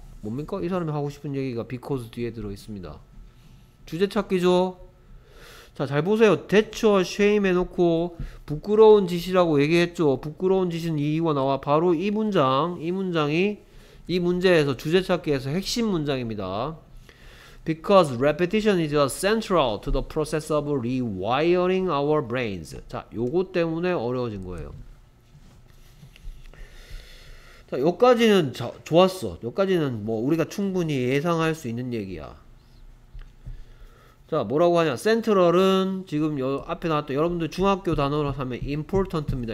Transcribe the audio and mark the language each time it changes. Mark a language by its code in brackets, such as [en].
[ko] 뭡니까? 이 사람이 하고 싶은 얘기가 because 뒤에 들어 있습니다. 주제 찾기죠? 자, 잘 보세요. [en] That's a shame [ko] 해놓고 부끄러운 짓이라고 얘기했죠. 부끄러운 짓은 이유가 나와. 바로 이 문장, 이 문장이 이 문제에서 주제 찾기에서 핵심 문장입니다. [en] Because repetition is central to the process of rewiring our brains. [ko] 자, 요것 때문에 어려워진 거예요. 자, 여기까지는 좋았어. 여기까지는 뭐 우리가 충분히 예상할 수 있는 얘기야. 자, 뭐라고 하냐? 센트럴은 지금 앞에 나왔던 여러분들 중학교 단어로 하면 important입니다.